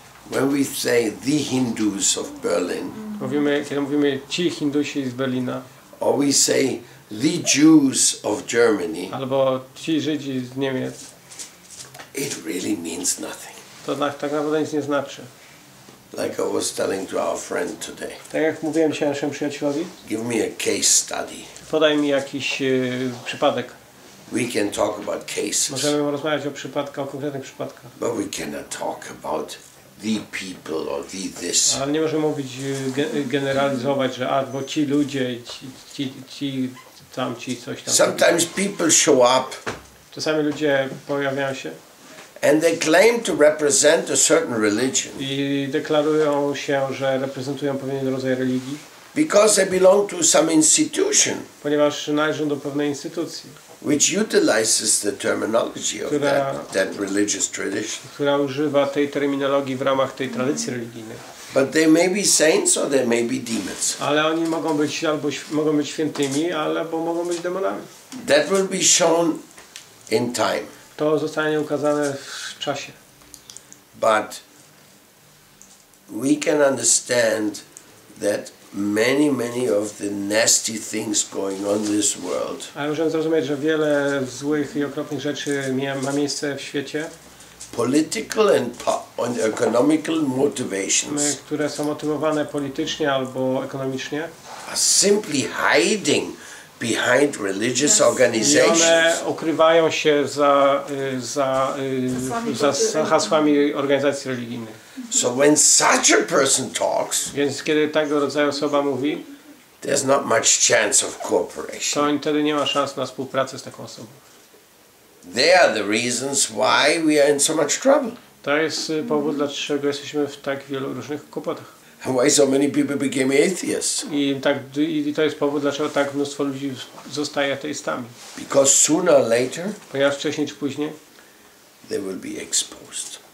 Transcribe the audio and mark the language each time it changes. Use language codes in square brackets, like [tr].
[en] When we say the Hindus of Berlin. [pl] Kiedy mówimy ci Hindusi z Berlina. [en] Or we say the Jews of Germany. [pl] Albo ci Żydzi z Niemiec. [en] It really means nothing. [pl] To tak naprawdę nic nie znaczy. [en] Like I was telling to our friend today. [pl] Tak jak mówiłem dzisiaj naszemu przyjacielowi. [en] Give me a case study. [pl] Podaj mi jakiś przypadek. [en] We can talk about cases. [pl] Możemy rozmawiać o konkretnych przypadkach. [en] But we cannot talk about the people or the this. [pl] Ale nie możemy mówić, generalizować, że albo ci ludzie, ci tam, ci coś tam. [en] Sometimes people show up. [pl] Czasami ludzie pojawiają się. [en] And they claim to represent a certain religion. [pl] I deklarują się, że reprezentują pewien rodzaj religii. [en] Because they belong to some institution. [pl] Ponieważ należą do pewnej instytucji. [en] Which utilizes the terminology of that religious tradition. [pl] Która używa tej terminologii w ramach tej tradycji religijnej. [en] But they may be saints or they may be demons. [pl] Ale oni mogą być albo mogą być świętymi, albo mogą być demonami. [en] That will be shown in time. [pl] To zostanie ukazane w czasie. [en] But we can understand that many of the nasty things going on in this world. [pl] Ale możemy zrozumieć, że wiele złych i okropnych rzeczy ma miejsce w świecie. [en] Political and economical motivations. [pl] Które są motywowane politycznie albo ekonomicznie. [en] Are simply hiding behind religious organizations. [pl] I one ukrywają się za hasłami organizacji religijnych. [en] So when such a person talks, [pl] więc kiedy tego rodzaju osoba mówi, [en] there's not much chance of cooperation. [pl] To wtedy nie ma szans na współpracę z taką osobą. [en] They are the reasons why we are in so much trouble. [pl] To jest powód, dlaczego jesteśmy w tak wielu różnych kłopotach. [en] Why so many people became atheists? [pl] I to jest powód, dlaczego tak mnóstwo ludzi zostaje ateistami. [en] Because sooner or later, [pl] ponieważ wcześniej czy później, [en] they will be exposed.